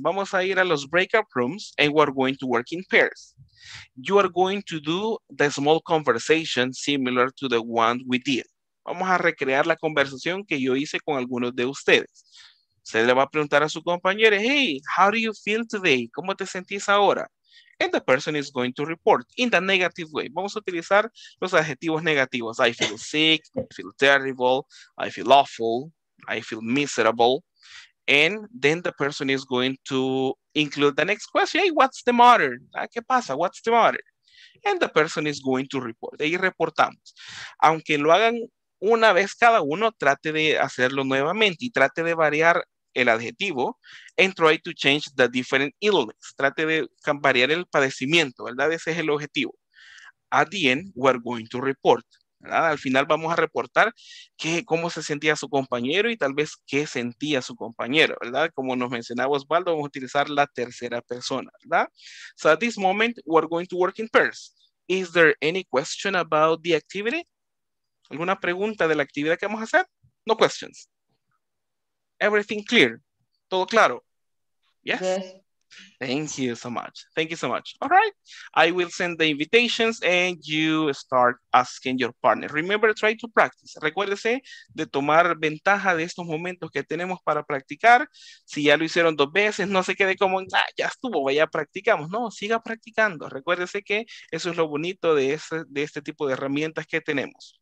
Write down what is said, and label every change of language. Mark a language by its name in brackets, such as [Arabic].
[Spanish] Vamos a ir a los [English] breakout rooms and we're going to work in pairs. You are going to do the small conversation similar to the one we did. [Spanish] Vamos a recrear la conversación que yo hice con algunos de ustedes. Se le va a preguntar a su compañero, hey, [English] how do you feel today? [Spanish] ¿Cómo te sentís ahora? [English] And the person is going to report in the negative way. [Spanish] Vamos a utilizar los adjetivos negativos. [English] I feel sick, I feel terrible, I feel awful, I feel miserable. And then the person is going to include the next question. Hey, what's the matter? [Spanish] ¿Qué pasa? [English] What's the matter? And the person is going to report. [Spanish] Ahí reportamos. Aunque lo hagan una vez cada uno, trate de hacerlo nuevamente y trate de variar el adjetivo, [English] and try to change the different illness. [Spanish] Trate de variar el padecimiento, ¿verdad? Ese es el objetivo. [English] At the end, we're going to report, [Spanish] ¿verdad? Al final vamos a reportar cómo se sentía su compañero y tal vez qué sentía su compañero, ¿verdad? Como nos mencionaba Osvaldo, vamos a utilizar la tercera persona, ¿verdad? [English] So at this moment, we're going to work in pairs. Is there any question about the activity? [Spanish] ¿Alguna pregunta de la actividad que vamos a hacer? [English] No questions. Everything clear. [Spanish] Todo claro. [English] Yes. Thank you so much. Thank you so much. All right. I will send the invitations and you start asking your partner. Remember, try to practice. [Spanish] Recuérdese de tomar ventaja de estos momentos que tenemos para practicar. Si ya lo hicieron dos veces, no se quede como, ya estuvo, ya practicamos. No, siga practicando. Recuérdese que eso es lo bonito de este tipo de herramientas que tenemos.